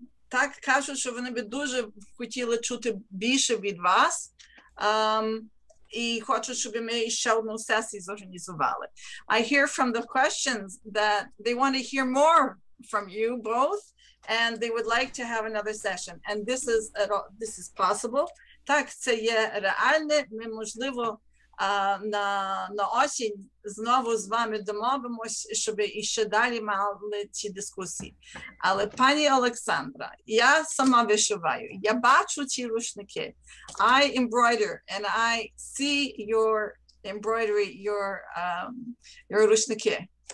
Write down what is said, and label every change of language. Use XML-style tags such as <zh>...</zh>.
<uk>Так кажуть, що вони би дуже хотіли чути більше від вас. І хочу, щоб ми ще одну сесію зорганізували.</uk> <en>I hear from the questions that they want to hear more from you both, and they would like to have another session. And this is possible.</en> <uk>Так, це є реальне. Ми, можливо, на осінь знову з вами домовимось, щоб іще далі мали ці дискусії. Але, пані Олександра, я сама вишиваю. Я бачу ці рушники.</uk> <en>I embroider, and I see your embroidery, your рушники.</en>